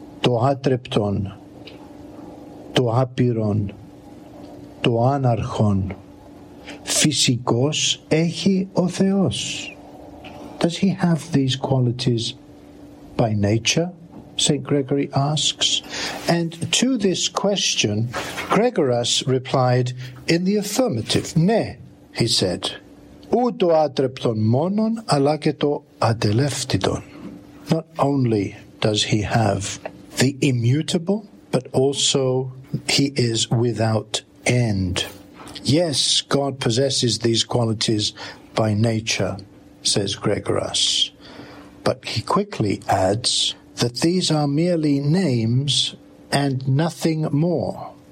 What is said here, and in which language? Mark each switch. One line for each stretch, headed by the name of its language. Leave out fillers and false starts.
Greek: To atrepton, to apiron, to anarchon, physikos echi o Theos.
English: Does he have these qualities by nature? St. Gregory asks. And to this question, Gregoras replied in the affirmative.
Greek: Ναι,
English: he said,
Greek: ούτω άτρεπτον μόνον, αλλά και το ατελεύτητον.
English: Not only does he have the immutable, but also he is without end. Yes, God possesses these qualities by nature, says Gregoras. But he quickly adds that these are merely names and nothing more.